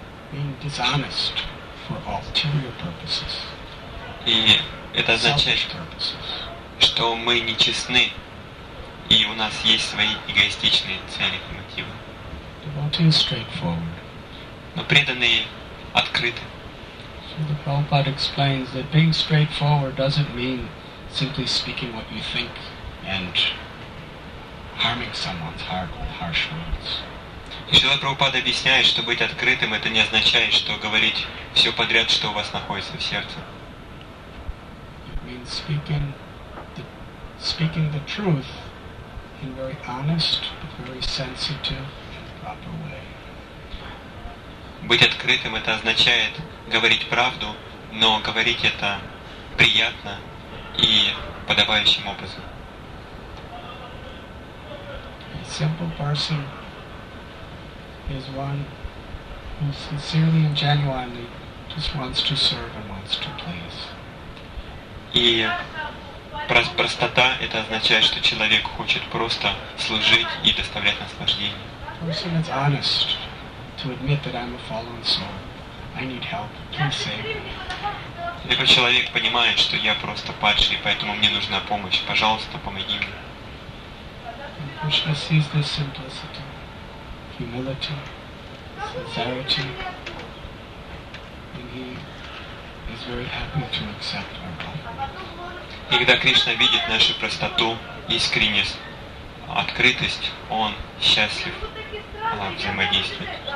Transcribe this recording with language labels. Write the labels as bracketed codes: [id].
[en] Being dishonest for ulterior purposes. [ru] И это означает, что мы нечестны, и у нас есть свои эгоистичные цели и мотивы. [en] Devotee is straightforward. [ru] Но преданные открыты. [en] So the Prabhupada explains that being straightforward doesn't mean simply speaking what you think and harming someone's heart with harsh words. [ru] И Шрила Прабхупада объясняет, что быть открытым – это не означает, что говорить все подряд, что у вас находится в сердце. [en] Means speaking the truth in very honest, but very sensitive and proper way. [ru] Быть открытым – это означает говорить правду, но говорить это приятно и подобающим образом. [en] A simple person is one who sincerely and genuinely just wants to serve and wants to please. [ru] И простота – это означает, что человек хочет просто служить и доставлять наслаждение. [en] Person is honest to admit that I'm a fallen soul. I need help. Please save me. [ru] Если человек понимает, что я просто падший, поэтому мне нужна помощь, пожалуйста, помоги мне. [en] And Krishna sees this simplicity, humility, sincerity, and he is very happy to accept our [ru] И когда Кришна видит нашу простоту, искренность, открытость, Он счастлив взаимодействовать.